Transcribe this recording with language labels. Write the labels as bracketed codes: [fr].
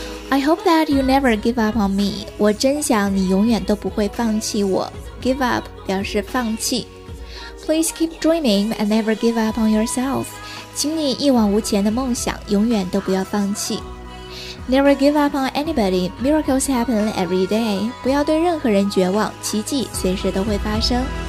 [en] I hope that you never give up on me. [zh] 我真想你永远都不会放弃我。 Give up 表示放弃。 [en] Please keep dreaming and never give up on yourself. [zh] 请你一往无前的梦想永远都不要放弃。 [en] Never give up on anybody. Miracles happen every day. [zh] 不要对任何人绝望，奇迹随时都会发生。